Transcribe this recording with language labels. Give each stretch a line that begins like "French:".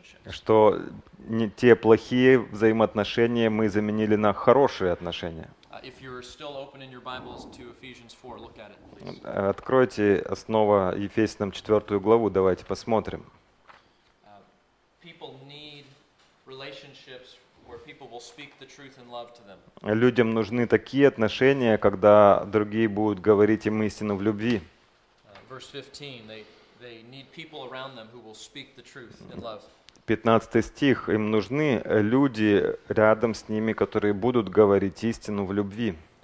Russian: Что те плохие взаимоотношения мы заменили на хорошие отношения.
English: If you're still opening your Bibles to Ephesians 4, look at it, please.
Russian: Откройте снова Ефесянам 4 главу, давайте посмотрим.
English: People need relationships where people will speak the truth and love to them.
Russian: Людям нужны такие отношения, когда другие будут говорить им истину в любви.
English: Verse 15, they need people around them who will speak the truth and love.
Russian: 15 стих. Им нужны люди рядом с ними, которые будут говорить истину в любви.